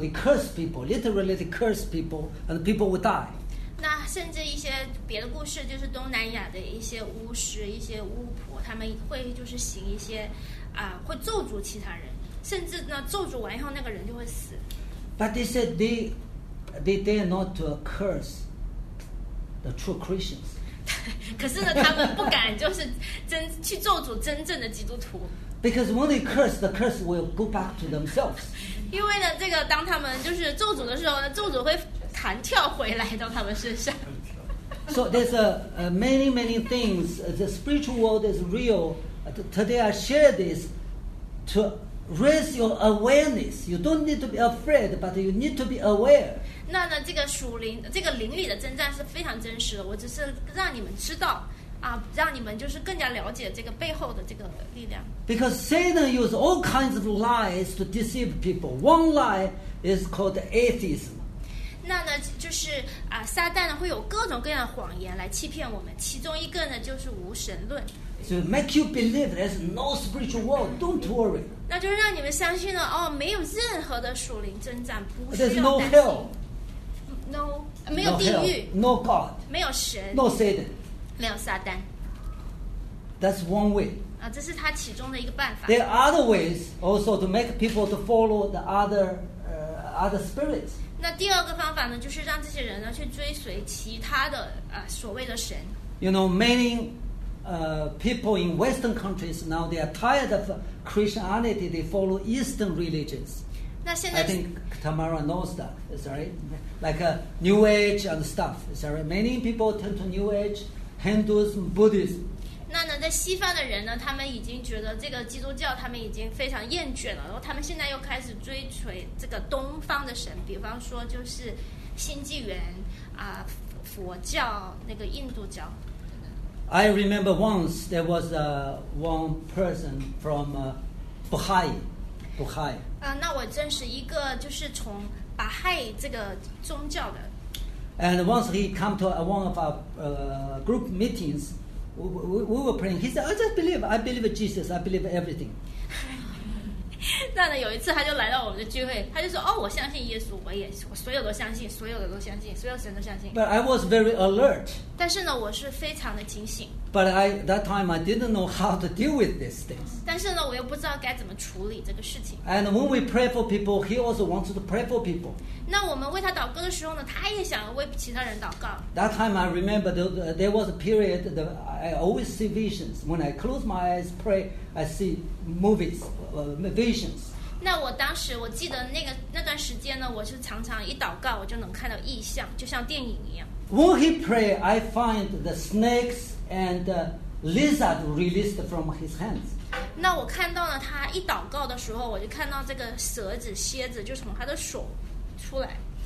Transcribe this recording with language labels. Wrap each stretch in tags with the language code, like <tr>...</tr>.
<en>They curse people, literally they curse people, and people would die.</en> <zh>那甚至一些别的故事，就是东南亚的一些巫师、一些巫婆，他们会就是行一些会咒诅其他人，甚至呢咒诅完以后那个人就会死。</zh> <en>But they said they dare not to curse. The true Christians.</en> <zh>可是呢，他们不敢就是真去咒诅真正的基督徒。</zh> <en>Because when they curse, the curse will go back to themselves.</en> <zh>因为呢，这个当他们就是咒诅的时候，咒诅会弹跳回来到他们身上。</zh> <en>So there's many many things. The spiritual world is real. Today I share this to raise your awareness. You don't need to be afraid, but you need to be aware.</en> <zh>那呢，这个灵里的征战是非常真实的。我只是让你们知道，让你们就是更加了解这个背后的这个力量。</zh> <en>Because Satan uses all kinds of lies to deceive people. One lie is called atheism.</en> <zh>那呢，就是撒旦呢会有各种各样的谎言来欺骗我们。其中一个呢就是无神论。</zh> <en>So make you believe there's no spiritual world. Don't worry.</en> <zh>那就让你们相信了，哦，没有任何的属灵征战，不需要担心。</zh> <en>There's no hell. No,</en> <zh>没有地狱</zh> <en>no, hell, no God</en> <zh>没有神</zh> <en>No Satan</en> <zh>没有撒旦</zh> <en>That's one way</en> <zh>这是他其中的一个办法</zh> <en>There are other ways also to make people to follow the other, other spirits</en> <zh>那第二个方法呢就是让这些人呢去追随其他的所谓的神</zh> <en>You know many people in western countries now they are tired of Christianity they follow eastern religionsI think Tamara knows that, is that right? Like New Age and stuff, is that right? Many people turn to New Age, Hinduism, Buddhism.</en> <zh>那呢，在西方的人呢，他们已经觉得这个基督教，他们已经非常厌倦了。然后他们现在又开始追随这个东方的神，比方说就是新纪元佛教那个印度教。</zh> <en>I remember once there was one person from Bahai. Bahai.</en> <zh>那我认识一个就是从巴海这个宗教的。</zh> <en>And once he came to one of our group meetings, we were praying. He said, I believe Jesus. I believe everything.</en> <zh>那呢，有一次他就来到我们的聚会，他就说，哦，我相信耶稣，我所有都相信，所有的都相信，所有神都相信。</zh> <en>But I was very alert.</en> <zh>但是呢，我是非常的警醒。</zh> <en>But at that time, I didn't know how to deal with these things.</en> <zh>但是呢，我又不知道该怎么处理这个事情。</zh> <en>And when we pray for people, he also wants to pray for people.</en> <zh>那我们为他祷告的时候呢，他也想为其他人祷告。</zh> <en>That time, I remember there was a period that I always see visions. When I close my eyes, pray, I see movies, visions.</en> <zh>那我当时我记得那段时间呢，我是常常一祷告，我就能看到异象，就像电影一样。</zh> <en>When he pray, I find the snakes. And lizard released from his hands.</en> <zh>那我看到了他一祷告的时候，我就看到这个蛇子、蝎子就从他的手出来。</zh>